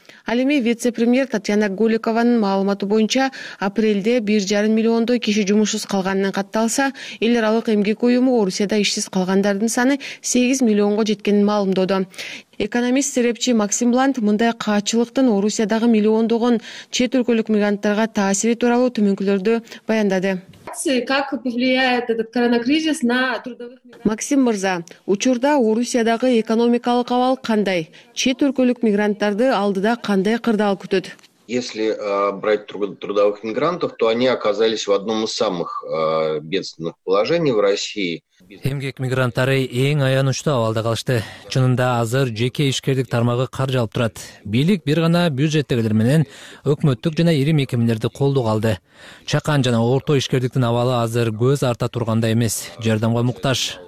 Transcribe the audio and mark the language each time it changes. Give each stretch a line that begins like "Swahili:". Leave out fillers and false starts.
Kyrgyz: Ал эми вице-премьер Татьяна Голикованын маалыматы боюнча, апрелде 1.5 миллиондой киши жумушсуз калганынан катталса, эл аралык эмгек уюму Орусияда ишсиз калгандардын саны 8 миллионго жеткенин маалымдоодо. Экономист серепчи Максим Блант мындай каачылыктын Орусиядагы миллиондогон чет өлкөлүк мигранттарга таасири тууралуу түмөнкүлөрдү баяндады.
Russian: Как повлияет этот коронакризис на трудовых мигрантов?
Kyrgyz: Максим Мырза, учурда Орусиядагы экономикалык абал кандай? Чет өлкөлүк мигранттарды алдыда кандай кырдаал күтөт?
Russian: Если брать трудовых мигрантов, то они оказались в одном из самых бедственных положений в России.
Kyrgyz: Эмгек мигранттары эң аянычтуу абалда калышты. Чынында азыр жеке ишкердик тармагы каржы алып турат. Бийлик бир гана бюджеттегилер менен өкмөттүк жана ири мекемелерди колдук алды. Чакан жана орто ишкердиктин абалы азыр көз арта тургандай эмес, жардамга муктаж.